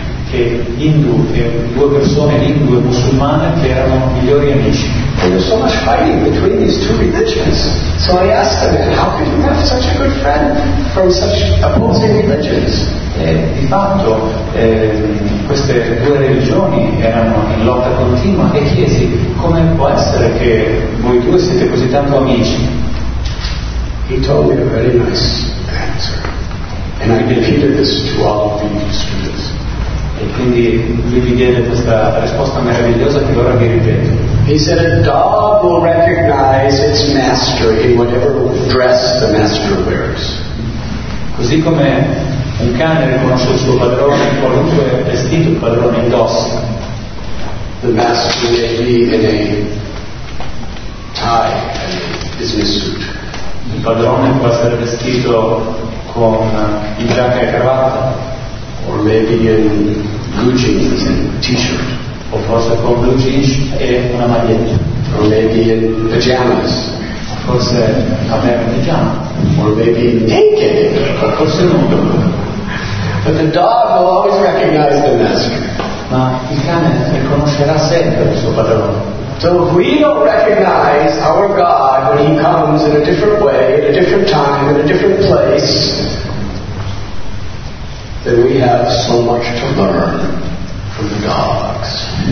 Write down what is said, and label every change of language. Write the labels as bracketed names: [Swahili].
[Italian] che Hindu e due persone lingue musulmane che erano migliori amici. [English] There was so much fighting between these two religions. So I asked them, how could you have such a good friend from such opposing religions? [Italian] Di fatto queste due religioni erano in lotta continua e chiesi, come può essere che voi due siete così tanto amici? [English] He told me a very nice answer. And I repeated this to all of the students. [Italian] E quindi lui mi diede questa risposta meravigliosa che ora mi ripeto. [English] He said, a dog will recognize its master in whatever dress the master wears. [Italian] Così come un cane riconosce il suo padrone in qualunque vestito il padrone indossa. [English] The master may be in a tie, a business suit. [Italian] Il padrone può essere vestito con il giacca e cravatta. [English] Or maybe in blue jeans and t-shirt. [Italian] O forse con blue jeans e una maglietta. [English] Or maybe in pajamas. [Italian] Forse aperto in pigiama. [English] Or maybe naked. [Italian] O forse nudo. [English] But the dog will always recognize the master. [Italian] Ma il cane riconoscerà sempre il suo padrone. [English] So if we don't recognize our God when he comes in a different way, in a different time, in a different place, then we have so much to learn from the dogs.